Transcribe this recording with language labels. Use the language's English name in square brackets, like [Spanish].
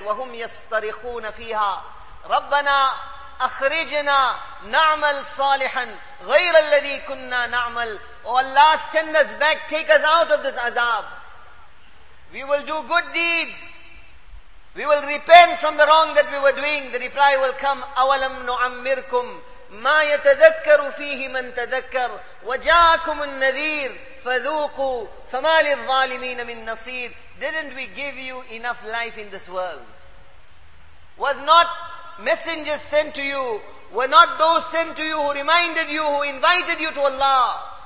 [Arabic] وَهُمْ يَسْتَرِخُونَ فِيهَا رَبَّنَا أَخْرِجْنَا نَعْمَلْ صَالِحًا غَيْرَ الَّذِي كُنَّا نَعْمَلْ. [English] Oh Allah, send us back, take us out of this azab. We will do good deeds. We will repent from the wrong that we were doing. The reply will come, [Arabic] أَوَلَمْ نُعَمِّرْكُمْ مَا يَتَذَكَّرُ فِيهِ مَنْ تَذَكَّرُ وَجَاكُمُ النَّذِيرُ فَذُوقُوا فَمَا لِلظَّالِمِينَ مِنْ نَصِيرٍ. [English] Didn't we give you enough life in this world? Was not messengers sent to you? Were not those sent to you who reminded you, who invited you to Allah?